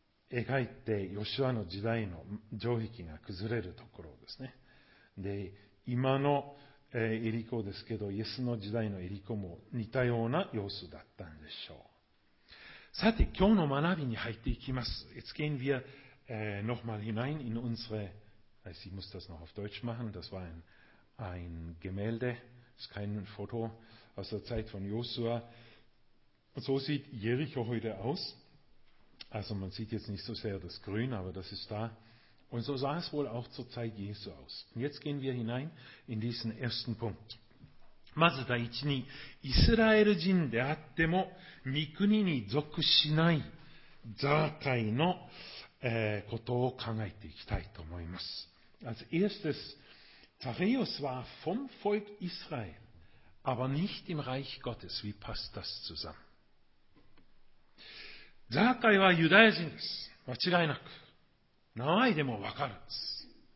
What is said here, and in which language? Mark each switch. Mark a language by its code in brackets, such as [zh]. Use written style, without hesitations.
[ja] 描いてヨシュアの時代の城壁が崩れるところですね。で、今の、エリコですけど、イエスの時代のエリコも似たような様子だったんでしょう。さて、今日の学びに入っていきます。 [de] Jetzt gehen wir nochmal hinein in unsere... Ich muss das noch auf Deutsch machen. Das war ein Gemälde. Das ist kein Foto aus der Zeit von Josua. So sieht Jericho heute aus. Also man sieht jetzt nicht so sehr das Grün, aber das ist da. Und so sah es wohl auch zur Zeit Jesu aus. Und jetzt gehen wir hinein in diesen ersten Punkt. [ja] まず第一に、イスラエル人であっても御国に属しないザーカイの、ことを考えていきたいと思います。 [de] Als erstes, Zachäus war vom Volk Israel, aber nicht im Reich Gottes. Wie passt das zusammen? [ja] ザーカイはユダヤ人です。間違いなく。名前でもわかるんです。